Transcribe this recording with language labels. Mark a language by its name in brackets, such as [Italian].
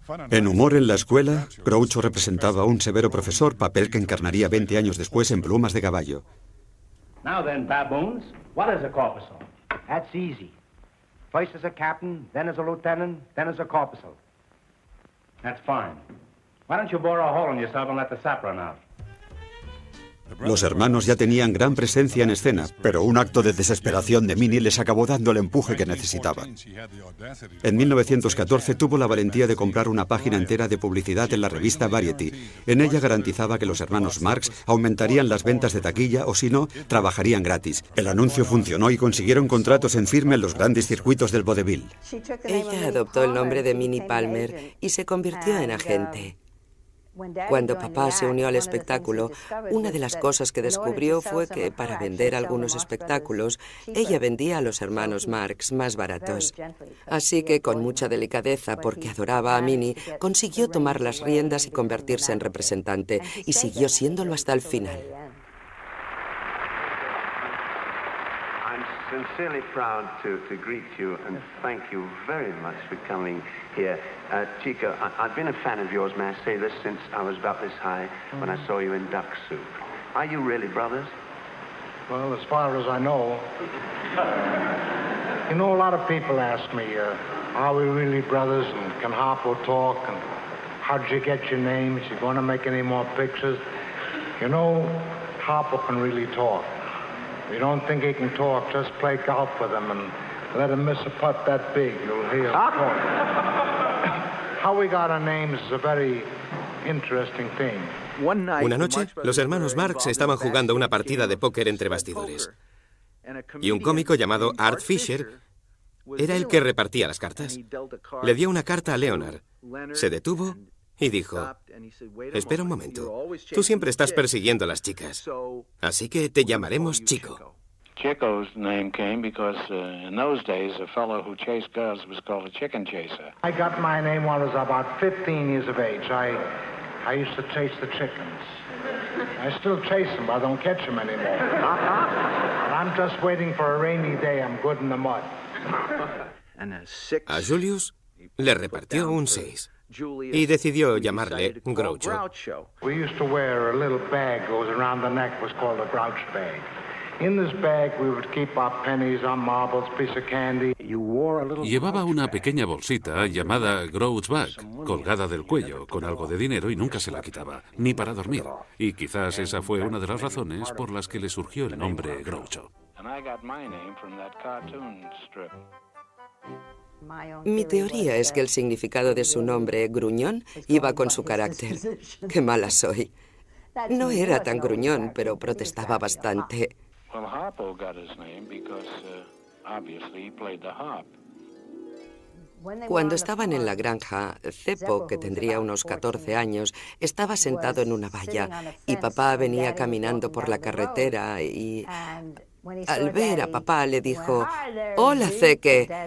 [Spanish] En humor en la escuela, Groucho representaba a un severo profesor, papel que encarnaría 20 años después en Plumas de caballo. [English] Now then, baboons, what is a corpuscle? That's easy. First as a captain, then as a lieutenant, then as a corpuscle. That's fine. Why don't you bore a hole in yourself and let the sap run out? [Spanish] Los hermanos ya tenían gran presencia en escena, pero un acto de desesperación de Minnie les acabó dando el empuje que necesitaban. En 1914 tuvo la valentía de comprar una página entera de publicidad en la revista Variety. En ella garantizaba que los hermanos Marx aumentarían las ventas de taquilla o si no, trabajarían gratis. El anuncio funcionó y consiguieron contratos en firme en los grandes circuitos del vodevil. Ella adoptó el nombre de Minnie Palmer y se convirtió en agente. Cuando papá se unió al espectáculo, una de las cosas que descubrió fue que, para vender algunos espectáculos, ella vendía a los hermanos Marx más baratos. Así que, con mucha delicadeza, porque adoraba a Minnie, consiguió tomar las riendas y convertirse en representante, y siguió siéndolo hasta el final. [English] Sincerely proud to greet you and thank you very much for coming here. Chico, I've been a fan of yours, may I say this, since I was about this high when I saw you in Duck Soup. Are you really brothers? Well, as far as I know. You know, a lot of people ask me, are we really brothers and can Harpo talk and how'd you get your name? Is he going to make any more pictures? You know, Harpo can really talk. You don't think he can talk, just play golf with him and let him miss a putt that big. You'll hear him talk. How we got our names is a very interesting thing. [Spanish] Una noche, los hermanos Marx estaban jugando una partida de póker entre bastidores. Y un cómico llamado Art Fisher era el que repartía las cartas. Le dio una carta a Leonard. Se detuvo y dijo, espera un momento, tú siempre estás persiguiendo a las chicas, así que te llamaremos Chico. [English] Chico's name came because in those days a fellow who chased girls was called a chicken chaser. I got my name when I was about 15 years of age. I used to chase the chickens. I still chase them, but I don't catch them anymore. And I'm just waiting for a rainy day, I'm good in the mud. [Spanish] A Julius le repartió un 6. Y decidió llamarle Groucho. [English] We used to wear a little bag goes around the neck, was called a Grouch bag. In this bag we would keep our pennies, our marbles, piece of candy. [Spanish] Llevaba una pequeña bolsita llamada Grouch bag, colgada del cuello, con algo de dinero y nunca se la quitaba, ni para dormir. Y quizás esa fue una de las razones por las que le surgió el nombre Groucho. Mi teoría es que el significado de su nombre, Gruñón, iba con su carácter. ¡Qué mala soy! No era tan gruñón, pero protestaba bastante. [English] Harpo got his name because obviously he played the harp. [Spanish] Cuando estaban en la granja, Zeppo, que tendría unos 14 años, estaba sentado en una valla y papá venía caminando por la carretera y al ver a papá le dijo, «Hola, Zeke».